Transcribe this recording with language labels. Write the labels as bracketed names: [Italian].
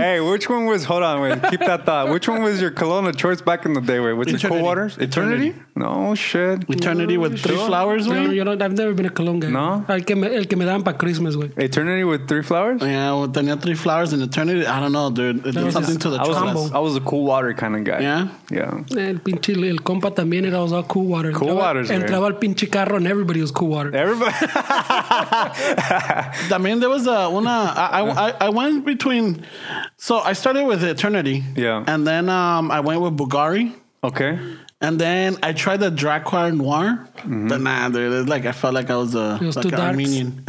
[English] Hey, which one was, hold on, wait, keep that thought. Which one was your cologne of choice back in the day, wait? Was it cool waters? Eternity? No, shit. Eternity with three flowers, wait? No, you know, I've never been a cologne guy. No? [Spanish] El que me daban para Christmas, wait. [English] Eternity with three flowers? Yeah, well, tenía three flowers in eternity. I don't know, dude. It did something to the trombone. I was a cool water kind of guy. Yeah. Yeah. [Spanish] El pinche, el compa también era usado cool water. [English] Cool water. [Spanish] Entraba al pinche carro [English] and everybody was cool water. Everybody. También there was una. I went between. So I started with Eternity. Yeah. And then I went with Bulgari. Okay. And then I tried the Dracoir Noir. Mm-hmm. But nah, dude, like I felt like I was an Armenian.